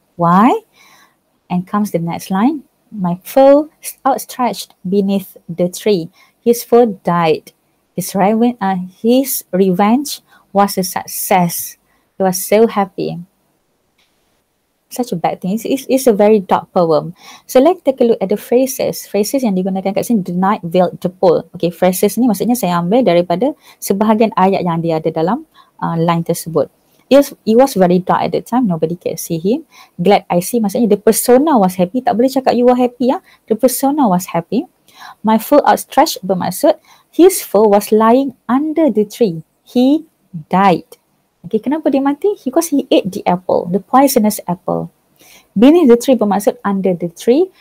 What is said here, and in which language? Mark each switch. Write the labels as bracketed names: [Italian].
[English] Why? And comes the next line. My foe outstretched beneath the tree. His foe died. His revenge was a success. He was so happy. Such a bad thing. It's a very dark poem. So let's take a look at the phrases. Phrases [Malay] yang digunakan kat sini, [English] the night veiled the pole. [Malay] Okay, phrases ni maksudnya saya ambil daripada sebahagian ayat yang dia ada dalam line tersebut. [English] It was very dark at the time. Nobody can see him. Glad I see, maksudnya the persona was happy. [Malay] Tak boleh cakap [English] you were happy ya. The persona was happy. My foe outstretched bermaksud, his foe was lying under the tree. He died. [Malay] Okay, kenapa dia mati? [English] Because he ate the apple, the poisonous apple. Beneath the tree bermaksud under the tree.